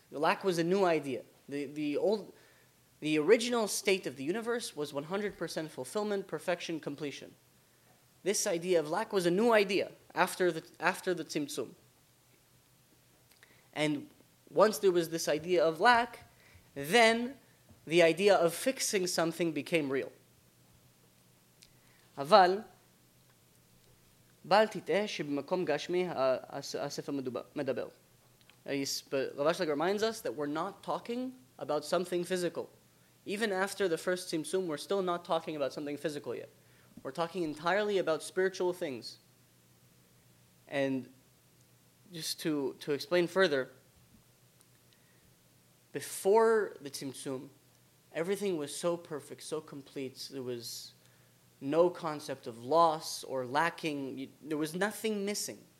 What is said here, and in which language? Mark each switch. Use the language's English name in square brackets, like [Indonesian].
[English] The lack was a new idea. The original state of the universe was 100% fulfillment, perfection, completion. This idea of lack was a new idea after the Tzimtzum. And once there was this idea of lack, then the idea of fixing something became real. [Hebrew] אבל בל תטעה שבמקום גשמי הספר מדבר. [English] Rav Ashlag reminds us that we're not talking about something physical. Even after the first Tzimtzum, we're still not talking about something physical yet. We're talking entirely about spiritual things. And just to explain further, before the Tzimtzum, everything was so perfect, so complete, there was no concept of loss or lacking, there was nothing missing.